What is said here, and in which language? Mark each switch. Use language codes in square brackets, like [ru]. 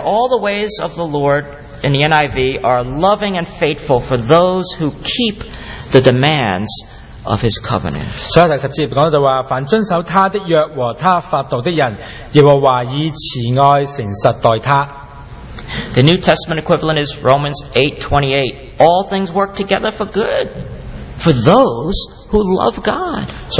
[en] All the ways of the Lord in the NIV are loving and faithful for those who keep the demands of His covenant. [zh] 所以第十节讲就话，凡遵守他的约和他发道的人，耶和华以慈爱诚实待他。 [en] The New Testament equivalent is Romans 8:28. All things work together for good for those who love God.